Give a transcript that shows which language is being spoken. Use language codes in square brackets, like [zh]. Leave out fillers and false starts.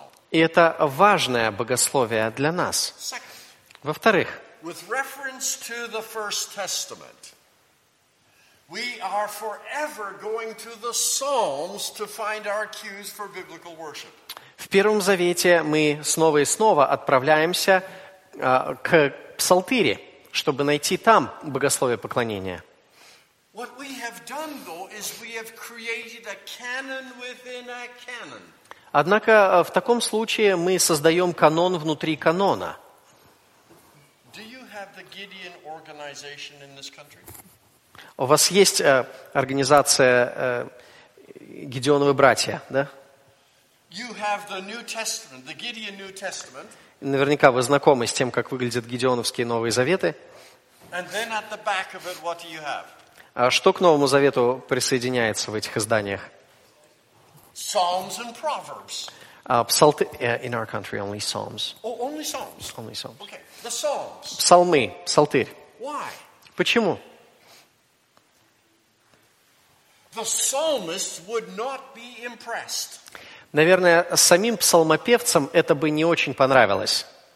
[ru] И это важное богословие для нас. Во-вторых, [en] we are forever going to the Psalms to find our cues for biblical worship. [ru] В Первом Завете мы снова и снова отправляемся к Псалтири, чтобы найти там богословие поклонения. [en] What we have done, though, is we have created a canon within a canon. [ru] Однако в таком случае мы создаем канон внутри канона. [en] Do you have the Gideon organization in this country? [ru] У вас есть организация Гедеоновы братья, да? [en] You have the New Testament, the Gideon New Testament. [ru] Наверняка вы знакомы с тем, как выглядят Гедеоновские Новые Заветы. [en] And then at the back of it, what do you have? [ru] А что к Новому Завету присоединяется в этих изданиях? [en] Psalms and Proverbs. In our country only Psalms. Oh, only Psalms. Only Psalms. Okay. The Psalms. [ru] Псалмы, псалтырь. [en] Why? [ru] Почему? [en] The psalmist would not be impressed. [ru] Наверное, самим псалмопевцам это бы не очень понравилось.